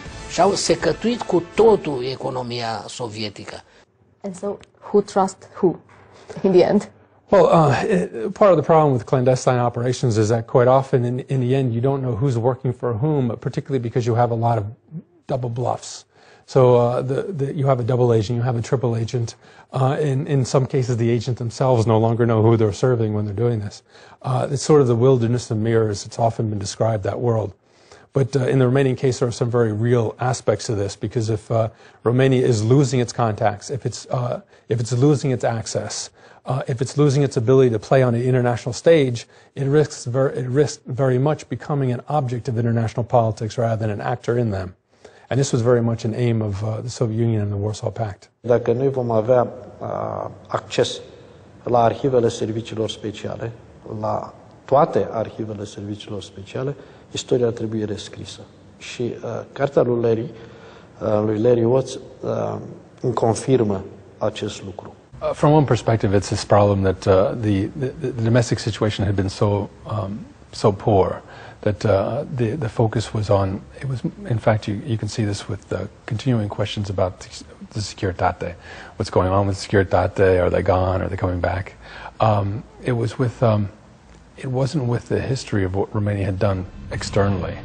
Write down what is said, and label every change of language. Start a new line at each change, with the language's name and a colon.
Romanian: Și au secătuit cu totul economia sovietică.
English: And so, who trust who in the end? Well, part of the problem with clandestine operations is that quite often in the end you don't know who's working for whom, particularly because you have a lot of double bluffs. So you have a double agent, you have a triple agent. In some cases, the agents themselves no longer know who they're serving when they're doing this. It's sort of the wilderness of mirrors. It's often been described, that world. But in the Romanian case, there are some very real aspects to this, because if Romania is losing its contacts, if it's losing its access, if it's losing its ability to play on the international stage, it risks very much becoming an object of international politics rather than an actor in them. And this was very much an aim of the Soviet Union and the Warsaw Pact.
Romanian: Dacă noi vom avea acces la arhivele serviciilor speciale, la toate arhivele serviciilor speciale, istoria trebuie rescrisă. Și cartea lui Larry Watts îmi confirmă acest lucru.
English: From one perspective, it's this problem that the domestic situation had been so poor that the focus was on, it was, in fact, you can see this with the continuing questions about the Securitate. What's going on with Securitate? Are they gone? Are they coming back? It wasn't with the history of what Romania had done externally.